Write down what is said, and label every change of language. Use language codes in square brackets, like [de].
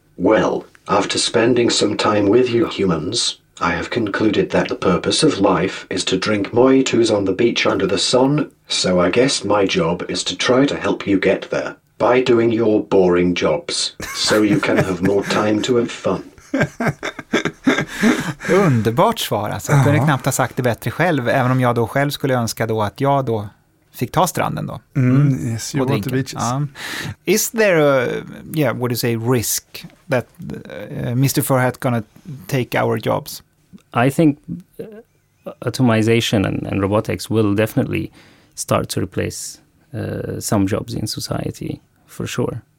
[en] Well, after spending some time with you humans, I have concluded that the purpose of life is to drink mojitos on the beach under the sun, so I guess my job is to try to help you get there by doing your boring jobs, so you can have more time to have fun. [sv] Underbart svar, alltså. Jag kunde knappt ha sagt det bättre själv, även om jag då själv skulle önska då att jag då fick ta stranden då. [en] Yes, you want the beaches. Is there a, would you say, risk that Mr. Ferhat gonna take our jobs? I think automation and robotics will definitely start to replace some jobs in society, for sure.